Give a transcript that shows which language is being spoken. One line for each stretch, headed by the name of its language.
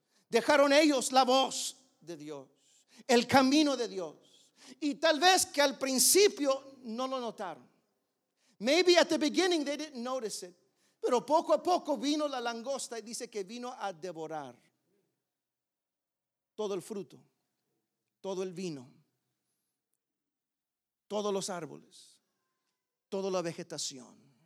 Spanish: Dejaron ellos la voz de Dios, el camino de Dios. Y tal vez que al principio no lo notaron.
English: Maybe at the beginning they didn't notice it.
Spanish: Pero poco a poco vino la langosta y dice que vino a devorar todo el fruto, todo el vino, todos los árboles, toda la vegetación.